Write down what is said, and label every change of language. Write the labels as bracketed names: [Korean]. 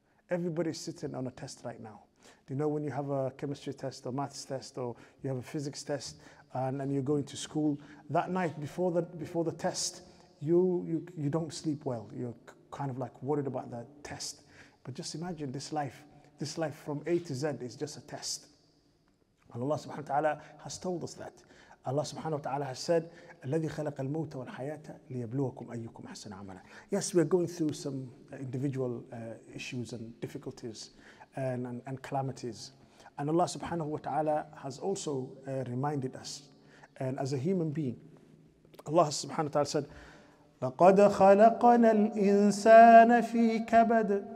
[English] Everybody's sitting on a test right now. You know, when you have a chemistry test or maths test or you have a physics test and you're going to school, that night before the test, you don't sleep well. You're kind of like worried about that test. But just imagine this life from A to Z is just a test. And Allah subhanahu wa ta'ala has told us that. Allah subhanahu wa ta'ala has said, [Arabic] الَّذِي خَلَقَ الْمَوْتَ وَالْحَيَاةَ لِيَبْلُوَكُمْ أَيُّكُمْ أَحْسَنَ عَمَلًا. [English] Yes, we are going through some individual issues and difficulties and calamities. And Allah subhanahu wa ta'ala has also reminded us. And as a human being, Allah subhanahu wa ta'ala said, [Arabic] لَقَدْ خَلَقَنَا الْإِنسَانَ فِي كَبَدٍ.